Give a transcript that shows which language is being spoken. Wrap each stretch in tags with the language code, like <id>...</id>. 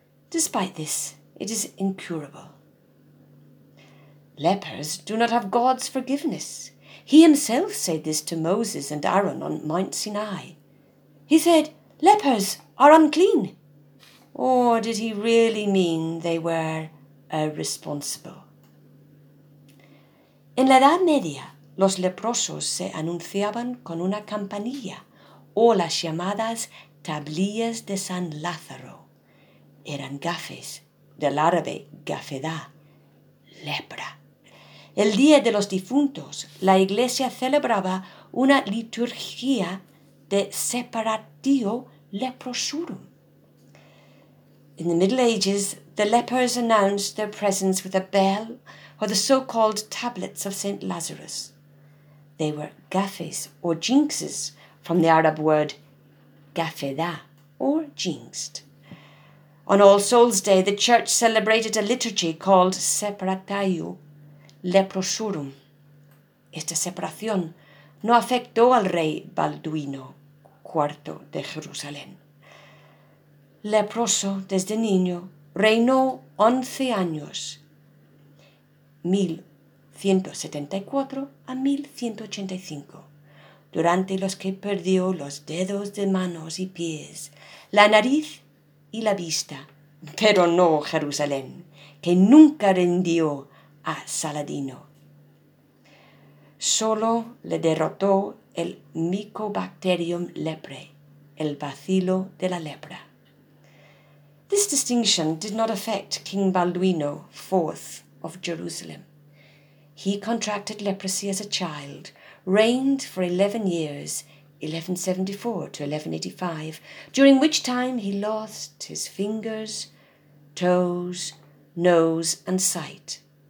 <en>Despite this, it is incurable. Lepers do not have God's forgiveness. He himself said this to Moses and Aaron on Mount Sinai. He said, lepers are unclean. Or did he really mean they were irresponsible?</en> <es>En la Edad Media, los leprosos se anunciaban con una campanilla o las llamadas tablillas de San Lázaro. Eran gafes, del árabe gafedá, lepra. El día de los difuntos, la iglesia celebraba una liturgia de separatio leprosurum.</es> <en>In the Middle Ages, the lepers announced their presence with a bell or the so-called tablets of St. Lazarus. They were gafes or jinxes from the Arab word gafeda or jinxed. On All Souls' Day, the church celebrated a liturgy called separatio leprosurum.</en> <es>Esta separación no afectó al rey Balduino IV de Jerusalén. Leproso desde niño, reinó 11 años, 1174 a 1185, durante los que perdió los dedos de manos y pies, la nariz y la vista, pero no Jerusalén, que nunca rindió a Saladino. Solo le derrotó el Mycobacterium lepre, el bacilo de la lepra.</es> <en>This distinction did not affect King Balduino IV of Jerusalem. He contracted leprosy as a child, reigned for 11 years, 1174 to 1185, during which time he lost his fingers, toes, nose, and sight.</en>